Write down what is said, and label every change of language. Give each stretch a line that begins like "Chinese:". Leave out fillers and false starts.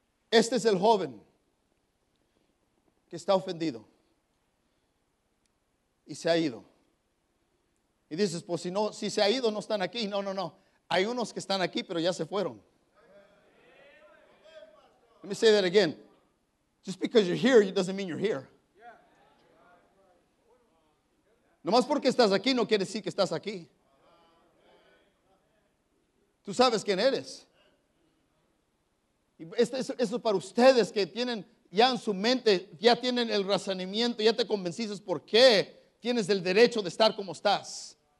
Spanish: Este es el joven que está ofendido y se ha ido. Y dices, pues si no, si se ha ido, no están aquí. No, no, no. Hay unos que están aquí, pero ya se fueron.
English: Let me say that again. Just because you're here, it doesn't mean you're here.
Spanish: Nomás porque estás aquí no quiere decir que estás aquí. Tú sabes quién eres. Y eso es para ustedes que tienen ya en su mente, ya tienen el razonamiento, ya te convenciste por qué tienes el derecho de estar como estás.